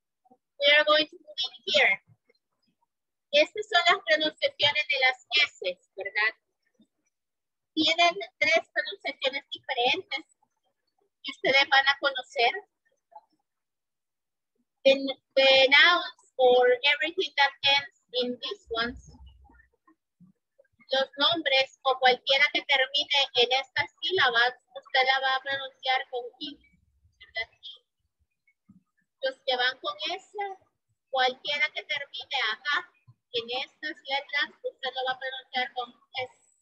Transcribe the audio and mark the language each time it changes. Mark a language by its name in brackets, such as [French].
[English] And we are going to move in here. [Spanish] Estas son las pronunciaciones de las S, ¿verdad? Tienen tres pronunciaciones diferentes que ustedes van a conocer. [English] The nouns or everything that ends in these ones. [Spanish] Los nombres o cualquiera que termine en estas sílabas, usted la va a pronunciar con I. Los que van con S, cualquiera que termine acá, en estas letras, usted lo va a pronunciar con S.